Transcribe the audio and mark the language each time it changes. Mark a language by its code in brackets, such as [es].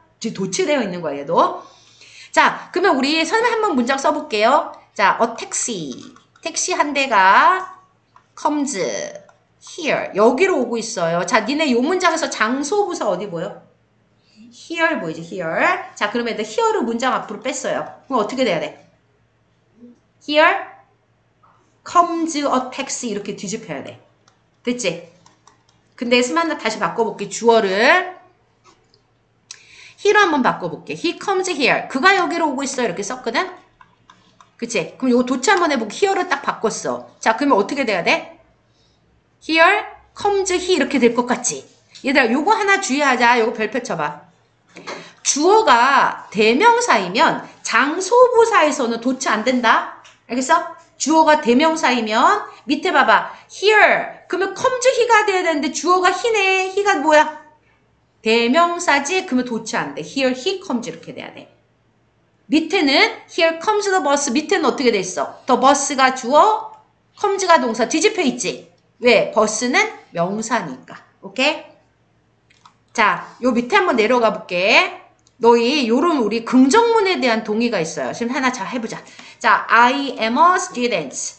[ko] 지금 도치되어 있는 거야, 얘도. 자, 그러면 우리 선생님 한번 문장 써볼게요. 자, [en] a taxi. [ko] 택시 한 대가 comes. here 여기로 오고 있어요. 자, 니네 요 문장에서 장소부사 어디 보여? [en] here [ko] 보이지? [en] here. [ko] 자, 그러면 이제 here를 문장 앞으로 뺐어요. 그럼 어떻게 돼야 돼? [en] here comes a taxi [ko] 이렇게 뒤집혀야 돼. 됐지? 근데 스마트 다시 바꿔볼게. 주어를 here 한번 바꿔볼게. [en] he comes here. [ko] 그가 여기로 오고 있어요. 이렇게 썼거든. 그치? 그럼 요거 도치 한번 해볼게. here를 딱 바꿨어. 자, 그러면 어떻게 돼야 돼? [en] Here comes he [ko] 이렇게 될 것 같지? 얘들아, 요거 하나 주의하자. 요거 별 펼쳐봐. 주어가 대명사이면 장소부사에서는 도치 안 된다. 알겠어? 주어가 대명사이면 밑에 봐봐. Here 그러면 comes he가 돼야 되는데 주어가 he네. he가 뭐야? 대명사지. 그러면 도치 안 돼. [en] Here he comes [ko] 이렇게 돼야 돼. 밑에는 [en] here comes the bus. [ko] 밑에는 어떻게 돼 있어? The bus가 주어, comes가 동사. 뒤집혀 있지. 왜? 버스는 명사니까. 오케이? 자, 요 밑에 한번 내려가 볼게. 너희 요런 우리 긍정문에 대한 동의가 있어요. 지금 하나 자 해보자. 자, [en] I am a student.